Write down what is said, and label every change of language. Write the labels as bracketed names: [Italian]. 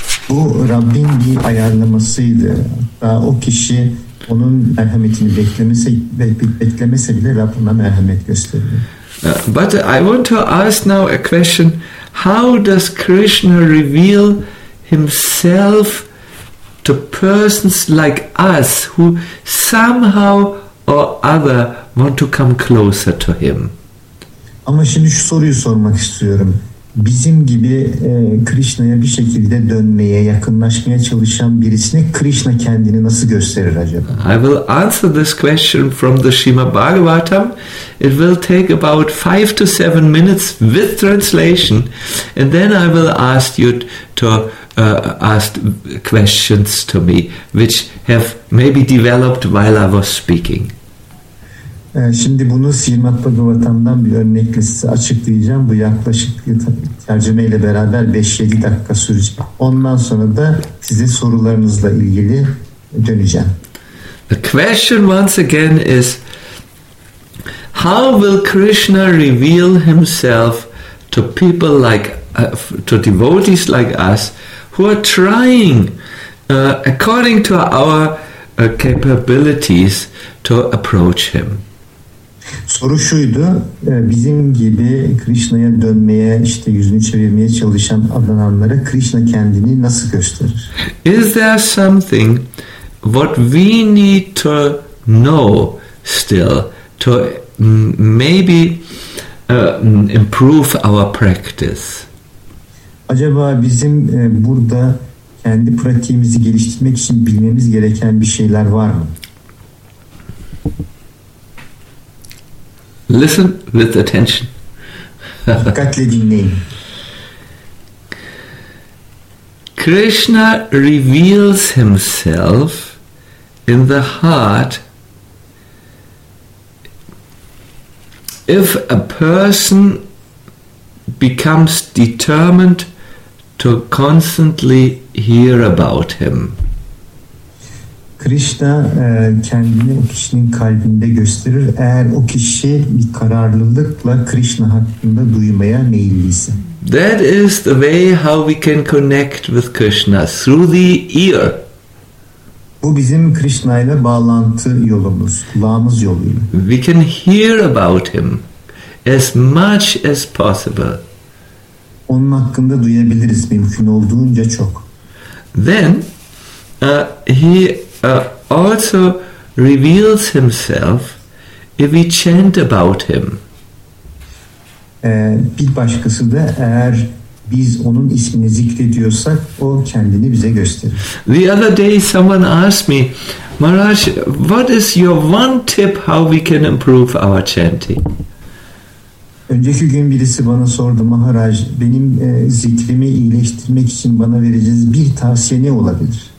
[Turkish] Bu Rabbin bir ayarlamasıydı. Hatta o kişi onun merhametini beklemese bile Rab ona merhamet gösterdi. [English] But I want to ask now a question. How does Krishna reveal himself to persons like us who somehow or other want to come closer to him? [Turkish] Ama şimdi şu soruyu sormak istiyorum. Bizim gibi Krishna'ya bir şekilde dönmeye, yakınlaşmaya çalışan birisine Krishna kendini nasıl gösterir acaba? [English] I will answer this question from the Srimad Bhagavatam. It will take about 5 to 7 minutes with translation and then I will ask you to ask questions to me which have maybe developed while I was speaking. [Turkish] Şimdi bunu Srimad Bhagavatam'dan bir örnekle size açıklayacağım. Bu yaklaşık tercüme ile beraber 5-7 dakika sürecek. Ondan sonra da size sorularınızla ilgili döneceğim. [English] The question once again is, how will Krishna reveal himself to people like, to devotees like us, who are trying, according to our capabilities, to approach him? [Turkish] Soru şuydu, bizim gibi Krishna'ya dönmeye, işte yüzünü çevirmeye çalışan adananlara Krishna kendini nasıl gösterir? [English] Is there something what we need to know still to maybe improve our practice? [Turkish] Acaba bizim burada kendi pratiğimizi geliştirmek için bilmemiz gereken bir şeyler var mı? [English] Listen with attention. [Turkish] Dikkatle dinleyin. [English] Krishna reveals himself in the heart if a person becomes determined to constantly hear about him. [Turkish] Krishna kendini o kişinin kalbinde gösterir eğer o kişi bir kararlılıkla Krishna hakkında duymaya meyilliyse. [English] That is the way how we can connect with Krishna, through the ear. [Turkish] Bu bizim Krishna ile bağlantı yolumuz, kulağımız yoluyla. [English] We can hear about him as much as possible. [Turkish] Onun hakkında duyabiliriz mümkün olduğunca çok. [English] Then he also reveals himself if we chant about him. [Turkish] Bir başkası da eğer biz onun ismini zikrediyorsak o kendini bize gösterir. [English] The other day someone asked me, Maharaj, what is your one tip how we can improve our chanting? [Turkish] Önceki gün birisi bana sordu, Maharaj, benim zikrimi iyileştirmek için bana vereceğiniz bir tavsiye ne olabilir?